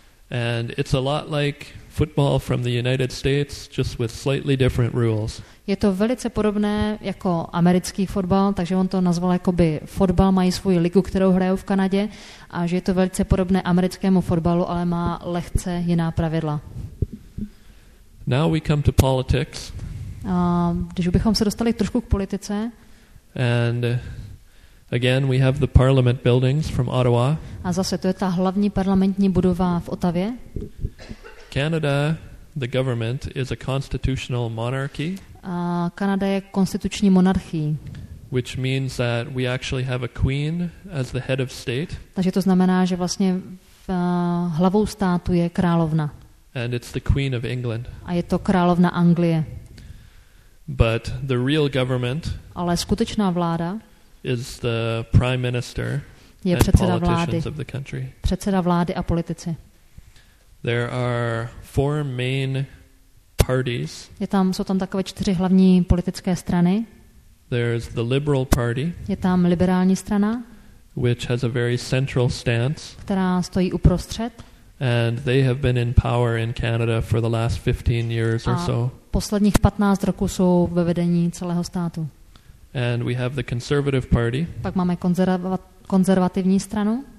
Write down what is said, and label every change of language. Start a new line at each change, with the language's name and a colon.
English: And it's a lot like football from the United States, just with slightly different rules.
Czech: Je to velice podobné jako americký fotbal, takže on to nazval jakoby fotbal, mají svou ligu, kterou hrajou v Kanadě, a že je to velice podobné americkému fotbalu, ale má lehce jiná pravidla.
English: Now we come to politics.
Czech: Když bychom se dostali trošku k politice.
English: And again we have the parliament buildings from Ottawa.
Czech: A zase to je ta hlavní parlamentní budova v Ottawě.
English: Canada, the government is a constitutional monarchy.
Czech: A Kanada je konstituční monarchie.
English: Which means that we actually have a queen as the head of state.
Czech: Takže to znamená, že vlastně hlavou státu je královna.
English: And it's the Queen of England.
Czech: A je to královna Anglie.
English: But the real government.
Czech: Ale skutečná vláda.
English: Is the Prime Minister.
Czech: Je předseda vlády.
English: Of the country.
Czech: Předseda vlády a politici.
English: There are four main parties.
Czech: Jsou tam takové čtyři hlavní politické strany.
English: There's the Liberal Party.
Czech: Je tam liberální strana.
English: Which has a very central stance.
Czech: Která stojí uprostřed.
English: And they have been in power in Canada for the last 15 years or so.
Czech: A posledních 15 roků jsou ve vedení celého státu.
English: And we have the Conservative Party.
Czech: Pak máme konzervativní stranu.